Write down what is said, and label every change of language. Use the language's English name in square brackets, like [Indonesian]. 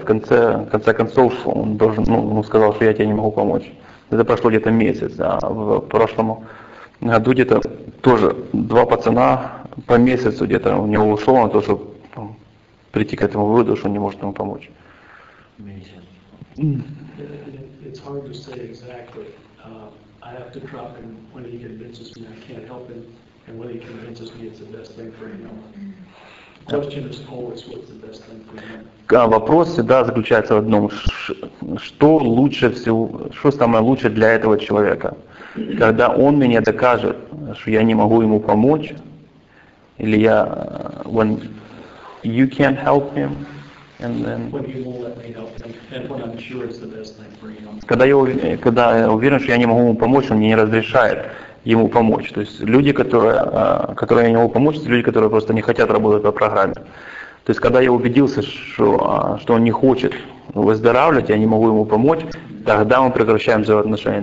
[Russian] В конце концов, он должен, сказал, что я тебе не могу помочь. Это прошло где-то месяц, а в прошлом году где-то тоже 2 пацана по месяцу где-то у него ушло на то, чтобы прийти к этому выводу, что он не может ему помочь. [English] It's hard to say exactly. I have to drop him when he convinces me I can't help him, and when he convinces me it's the best thing for him. Question is always what's the best thing for him. [Russian] Вопрос всегда заключается в одном. Что лучше всего, что самое лучшее для этого человека? Когда он мне докажет, что я не могу ему помочь, или я [English] when you can't help him, and then when he won't let me help him, and when I'm sure it's the best thing for him. [Russian] Когда я уверен, что я не могу ему помочь, он мне не разрешает ему помочь. То есть люди, которые я не могу помочь, это люди, которые просто не хотят работать по программе. То есть когда я убедился, что он не хочет выздоравливать, я не могу ему помочь, тогда мы прекращаем взаимоотношения.